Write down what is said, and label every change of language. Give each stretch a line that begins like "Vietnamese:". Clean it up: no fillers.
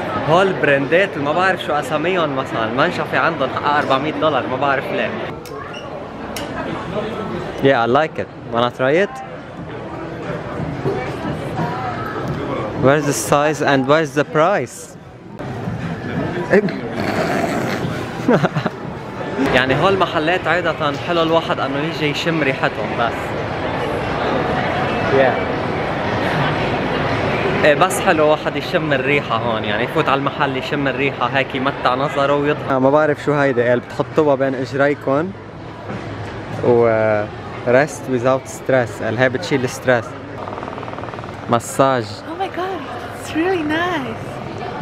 Arabic: هول البراندات ما بعرف شو اساميهم، مثلا المنشفه عندهم حقها $400، ما بعرف ليه.
English: Yeah, I like it. Wanna try it? Where's the size and where's the price?
Arabic: يعني هول محلات عادة حلو الواحد انه يجي يشم ريحتهم بس.
English: Yeah.
Arabic: ايه بس حلو واحد يشم الريحة هون، يعني يفوت على المحل يشم الريحة هيك يمتع نظره ويضحك. ما بعرف شو هيدي، قال بتحطوها بين اجريكم و
English: rest without stress.
Arabic: اللي هي بتشيل الستريس. مساج.
English: Oh my god, it's really nice.